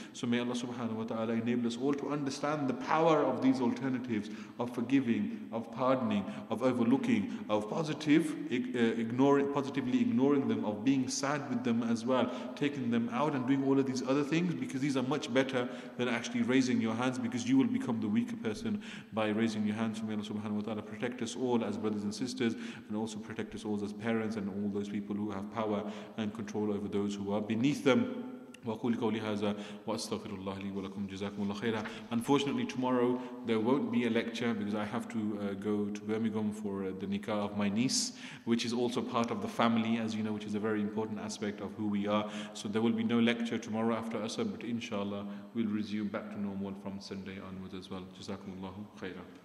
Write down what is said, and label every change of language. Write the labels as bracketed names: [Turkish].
[English] So may Allah subhanahu wa ta'ala enable us all to understand the power of these alternatives of forgiving, of pardoning, of overlooking, of positively ignoring them, of being sad with them as well, taking them out and doing all of these other things, because these are much better than actually raising your hands, because you will become the weaker person by raising your hands. May Allah subhanahu wa ta'ala protect us all as brothers and sisters, and also protect us all as parents and all those people who have power and control over those who are beneath them. [Arabic] وأقول قولي هذا وأستغفر الله لي ولكم جزاكم الله خيرا. [English] Unfortunately, tomorrow there won't be a lecture because I have to go to Birmingham for the nikah of my niece, which is also part of the family, as you know, which is a very important aspect of who we are. So there will be no lecture tomorrow after Asr, but inshallah we'll resume back to normal from Sunday onwards as well. [Arabic] جزاكم الله خيرا.